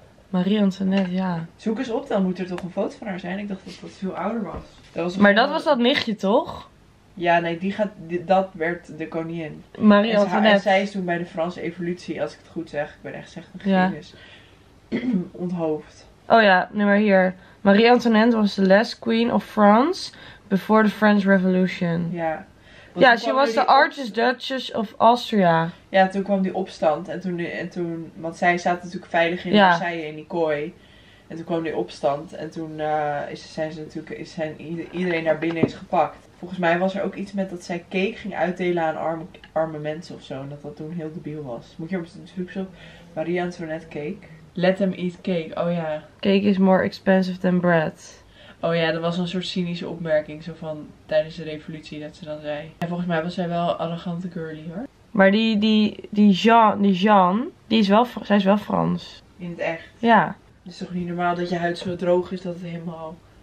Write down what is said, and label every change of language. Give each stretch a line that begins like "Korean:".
Dutch: Marie Antoinette, ja. Zoek eens op, dan moet er toch een foto van haar zijn. Ik dacht dat dat veel ouder was. Maar dat was dat nichtje, toch? Ja, nee, dat werd de koningin. Marie Antoinette. En zij is toen bij de Franse Revolutie, als ik het goed zeg. Ik ben echt zeg een genius. Onthoofd. Oh ja, nu maar hier.
English: Marie Antoinette was de last queen of France before the French Revolution.
Dutch: Ja. Ja, ze was de
English: Archduchess of Austria.
Dutch: Ja, toen kwam die opstand. En toen, want zij zaten natuurlijk veilig in Versailles in die kooi. En toen kwam die opstand. En toen zijn iedereen naar binnen is gepakt. Volgens mij was er ook iets met dat zij cake ging uitdelen aan arme mensen of zo. En dat toen heel debiel was. Moet je op het zoek op Marie Antoinette cake.
English: Let them eat cake. Oh ja. Cake is more expensive than bread.
Dutch: Oh ja, dat was een soort cynische opmerking, zo van tijdens de revolutie dat ze dan zei. En volgens mij was zij wel arrogante curly hoor. Maar die Jean is wel Frans. In het echt? Ja. Het is toch niet normaal dat je huid zo droog is dat het helemaal...